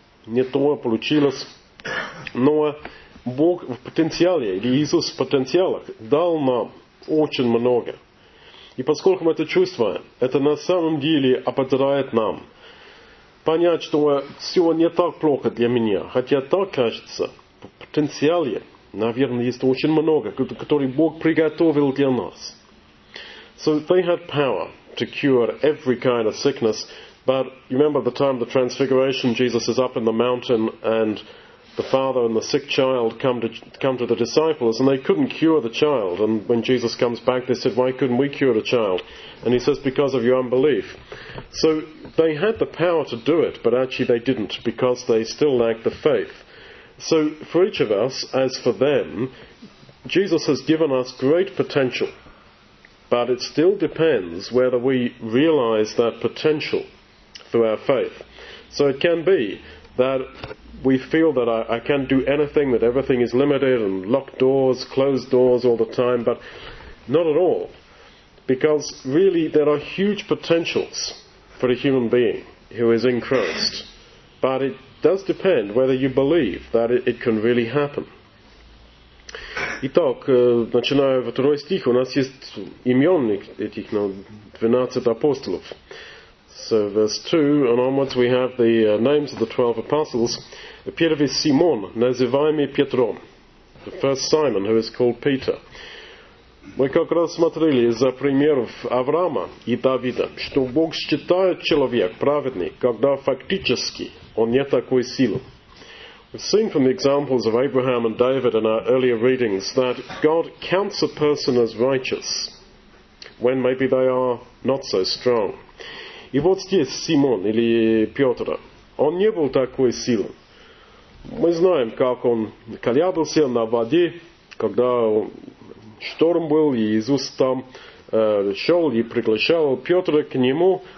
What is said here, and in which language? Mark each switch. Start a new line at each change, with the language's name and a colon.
Russian: Не то получилось. Но Бог в потенциале, или Иисус в потенциалах, дал нам очень много. И поскольку мы это чувствуем, это на самом деле ободряет нам. Понять, что все не так плохо для меня. Хотя так кажется, в потенциале, наверное, есть очень много, которые Бог приготовил для нас.
English: So they had power to cure every kind of sickness, but you remember the time of the Transfiguration, Jesus is up in the mountain and the father and the sick child come to the disciples and they couldn't cure the child. And when Jesus comes back, they said, why couldn't we cure the child? And he says, because of your unbelief. So they had the power to do it, but actually they didn't because they still lacked the faith. So for each of us, as for them, Jesus has given us great potential. But it still depends whether we realize that potential through our faith. So it can be that we feel that I can't do anything, that everything is limited and locked doors, closed doors all the time, but not at all. Because really there are huge potentials for a human being who is in Christ. But it does depend whether you believe that it can really happen.
Russian: Итак, начиная во второй стих, у нас есть именник этих 12 апостолов.
English: So verse 2 and onwards we have the names of the 12 apostles.
Russian: Первый Симон, называемый Петром.
English: The first Simon, who is called Peter.
Russian: Мы как раз смотрели за примеров Авраама и Давида, что Бог считает человек праведный, когда фактически он не такой силы.
English: We've seen from the examples of Abraham and David in our earlier readings that God counts a person as righteous when maybe they are not so strong.
Russian: И вот здесь Симон или Петр, он не был такой силы. Мы знаем, как он колебался на воде, когда шторм был, и Иисус там шел и приглашал Петра к нему.